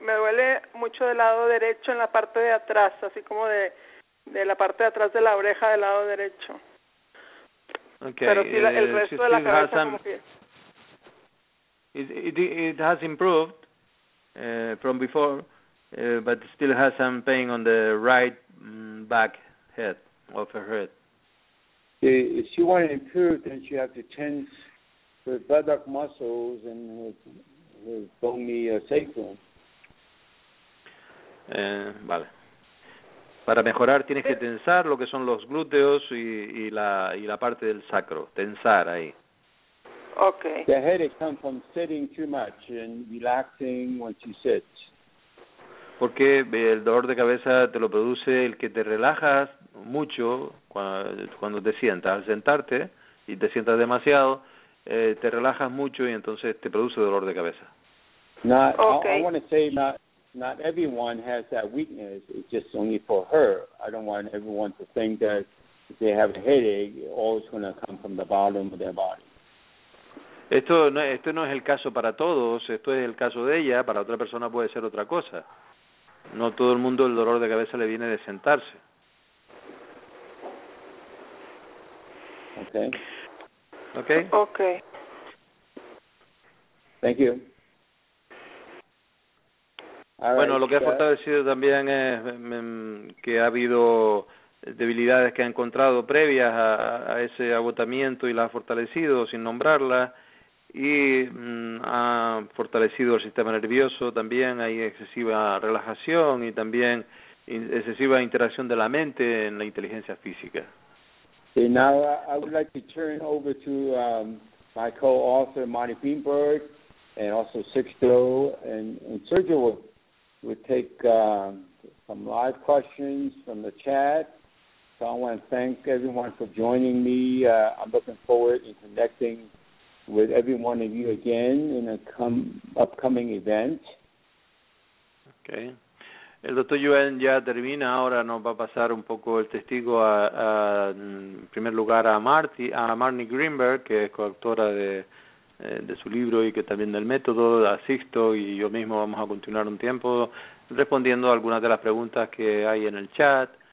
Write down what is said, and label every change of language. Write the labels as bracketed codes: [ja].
[es] Me duele mucho del lado derecho en la parte de atrás, así como de la parte de atrás de la oreja del lado derecho. [en] Okay. [es] Pero sí, el resto de la cabeza como [en] que it has improved from before, but still has some pain on the right back head of her head. If she want to improve, then she have to tense her buttock muscles and her bony sacrum. [es] Vale. Para mejorar tienes que tensar lo que son los glúteos y la parte del sacro. Tensar ahí. [en] Okay. The headache comes from sitting too much and relaxing when she sits. [es] Porque el dolor de cabeza te lo produce el que te relajas mucho cuando te sientas. Al sentarte y te sientas demasiado, te relajas mucho y entonces te produce dolor de cabeza. [en] Okay. I want to say not everyone has that weakness. It's just only for her. I don't want everyone to think that if they have a headache, it's always going to come from the bottom of their body. [es] Esto no es el caso para todos. Esto es el caso de ella. Para otra persona puede ser otra cosa. No todo el mundo el dolor de cabeza le viene de sentarse. [en] Okay. Okay. Okay. Thank you. [es] All bueno, right, lo que ha fortalecido también es que ha habido debilidades que ha encontrado previas a ese agotamiento y las ha fortalecido sin nombrarlas. Y ha fortalecido el sistema nervioso, también hay excesiva relajación y también excesiva interacción de la mente en la inteligencia física. [en] Okay, now I would like to turn over to my co-author Marty Greenberg and also Sixto, and Sergio will take some live questions from the chat. So I want to thank everyone for joining me. I'm looking forward to connecting with every one of you again in a upcoming event. Okay. [es] El doctor Yuen ya termina, ahora nos va a pasar un poco el testigo en primer lugar a Marnie Greenberg, que es coautora de de su libro y que también del método, asisto y yo mismo vamos a continuar un tiempo respondiendo a algunas de las preguntas que hay en el chat.